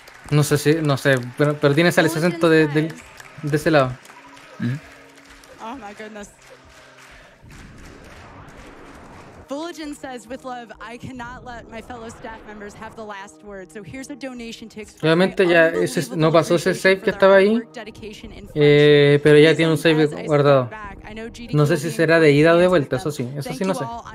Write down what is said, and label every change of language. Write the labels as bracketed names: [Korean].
[Spanish] No sé, pero tiene ese acento de ese lado. [English] Bulligen says with love I cannot let my fellow staff members have the last word. So here's a donation to express. [Spanish] Realmente ya ese no pasó ese save que estaba ahí. Pero ya tiene un save guardado. No sé si será de ida o de vuelta, eso sí no sé.